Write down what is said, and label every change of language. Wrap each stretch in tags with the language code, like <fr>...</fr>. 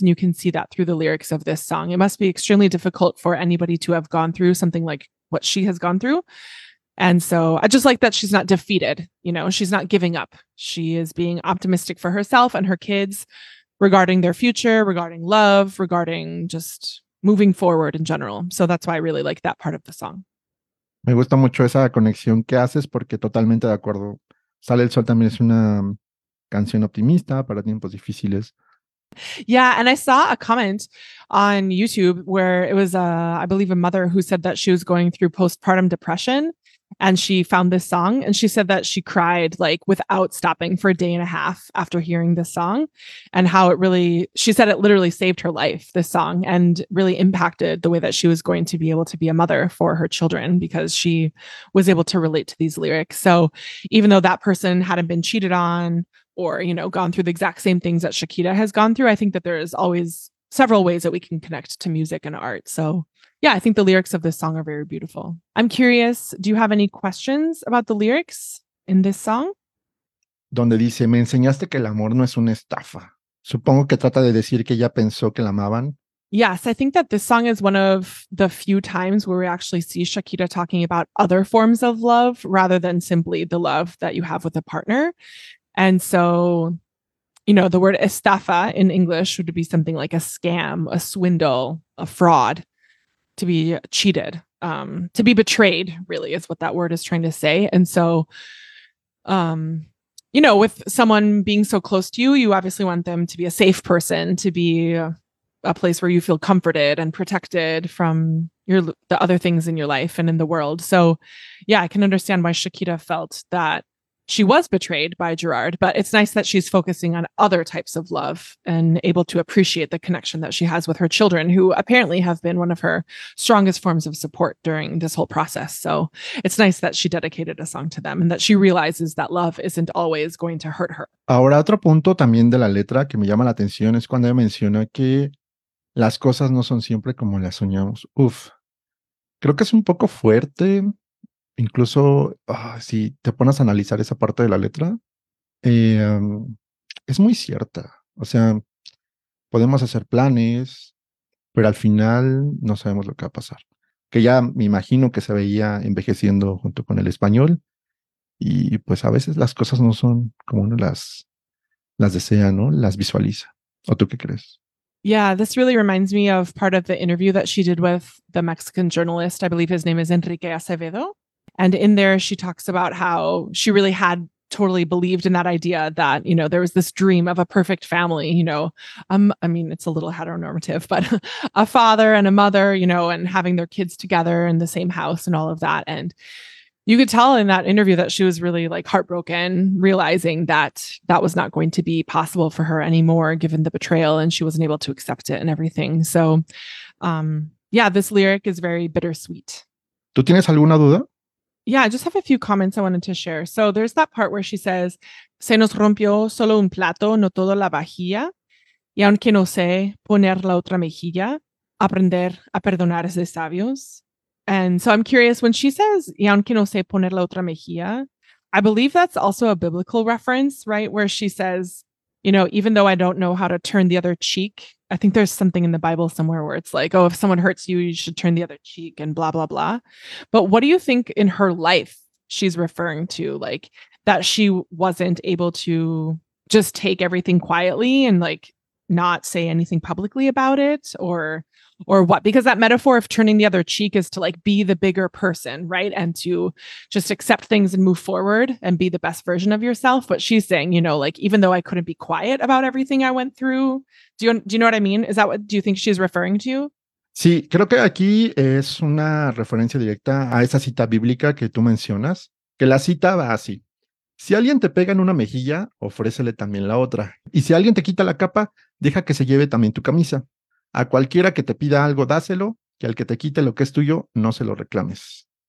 <en>And you can see that through the lyrics of this song. It must be extremely difficult for anybody to have gone through something like what she has gone through. And so I just like that she's not defeated. You know, she's not giving up. She is being optimistic for herself and her kids regarding their future, regarding love, regarding just moving forward in general. So that's why I really like that part of the song.</en> <es>Me gusta mucho esa conexión que haces porque totalmente de acuerdo. Sale el Sol también es una canción optimista para tiempos difíciles.</es> <en>Yeah, and I saw a comment on YouTube where it was, I believe, a mother who said that she was going through postpartum depression and she found this song and she said that she cried like without stopping for a day and a half after hearing this song and how it really, she said it literally saved her life, this song, and really impacted the way that she was going to be able to be a mother for her children because she was able to relate to these lyrics. So even though that person hadn't been cheated on, or, you know, gone through the exact same things that Shakira has gone through, I think that there is always several ways that we can connect to music and art. So, yeah, I think the lyrics of this song are very beautiful. I'm curious, do you have any questions about the lyrics in this song?</en> <es>Donde dice, me enseñaste que el amor no es una estafa. Supongo que trata de decir que ella pensó que la amaban.</es> <en>Yes, I think that this song is one of the few times where we actually see Shakira talking about other forms of love rather than simply the love that you have with a partner. And so, you know, the word estafa in English would be something like a scam, a swindle, a fraud, to be cheated, to be betrayed, really, is what that word is trying to say. And so, you know, with someone being so close to you, you obviously want them to be a safe person, to be a place where you feel comforted and protected from the other things in your life and in the world. So, yeah, I can understand why Shakira felt that she was betrayed by Gerard, but it's nice that she's focusing on other types of love and able to appreciate the connection that she has with her children, who apparently have been one of her strongest forms of support during this whole process. So it's nice that she dedicated a song to them and that she realizes that love isn't always going to hurt her.</en> <es>Ahora, otro punto también de la letra que me llama la atención es cuando ella menciona que las cosas no son siempre como las soñamos. Uf, creo que es un poco fuerte. Incluso si te pones a analizar esa parte de la letra, es muy cierta. O sea, podemos hacer planes, pero al final no sabemos lo que va a pasar. Que ya me imagino que se veía envejeciendo junto con el español. Y pues a veces las cosas no son como uno las desea, ¿no? Las visualiza. ¿O tú qué crees?</es> <en>Yeah, this really reminds me of part of the interview that she did with the Mexican journalist. I believe his name is Enrique Acevedo. And in there, she talks about how she really had totally believed in that idea that, you know, there was this dream of a perfect family, you know, I mean, it's a little heteronormative, but a father and a mother, you know, and having their kids together in the same house and all of that. And you could tell in that interview that she was really like heartbroken, realizing that that was not going to be possible for her anymore, given the betrayal, and she wasn't able to accept it and everything. So, yeah, this lyric is very bittersweet.</en> <es>¿Tú tienes alguna duda?</es> <en>Yeah, I just have a few comments I wanted to share. So there's that part where she says,</en> <es>se nos rompió solo un plato, no toda la vajilla. Y aunque no sé poner la otra mejilla, aprender a perdonar es de sabios.</es> <en>And so I'm curious, when she says,</en> <es>y aunque no sé poner la otra mejilla,</es> <en>I believe that's also a biblical reference, right? Where she says, you know, even though I don't know how to turn the other cheek, I think there's something in the Bible somewhere where it's like, oh, if someone hurts you, you should turn the other cheek and blah, blah, blah. But what do you think in her life she's referring to? Like that she wasn't able to just take everything quietly and like not say anything publicly about it or what? Because that metaphor of turning the other cheek is to like be the bigger person, right? And to just accept things and move forward and be the best version of yourself. But she's saying, you know, like, even though I couldn't be quiet about everything I went through, do you know what I mean? Is that what, do you think she's referring to?</en> <es>Sí, creo que aquí es una referencia directa a esa cita bíblica que tú mencionas, que la cita va así. Si alguien te pega en una mejilla, ofrécele también la otra. Y si alguien te quita la capa, deja que se lleve también tu camisa. A cualquiera que te pida algo, dáselo, y al que te quite lo que es tuyo, no se lo reclames.</es>